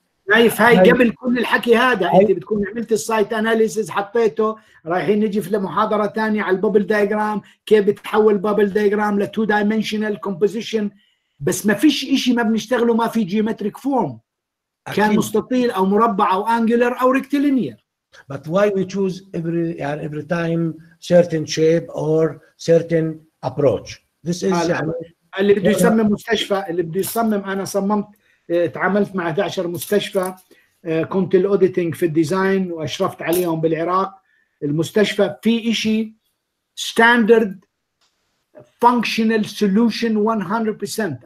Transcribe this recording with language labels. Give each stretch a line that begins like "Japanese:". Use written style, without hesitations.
Arabic: نايف هاي قبل كل الحكي هذا أنت بتكون عملت السايت أناليسيز حطيته، رايحين نجي في لمحاضرة تانية على البابل دايجرام كيف بتحول بابل دايجرام لتو دايمنشنال كومبوزيشن. بس ما فيش إشي ما بنشتغله ما في جيومتريك فورم، كان مستطيل أو مربع أو أنجلر أو ريكتيلينير.
English: But why we choose every time certain shape or certain approach? This is
Arabic: اللي بده يصمم مستشفى، اللي بده يصمم. أنا صممت تعاملت مع 11 مستشفى، كنت الأوديتنج في الديزاين وأشرفت عليهم بالعراق. المستشفى في إشي
English: standard functional solution
Arabic: 100%.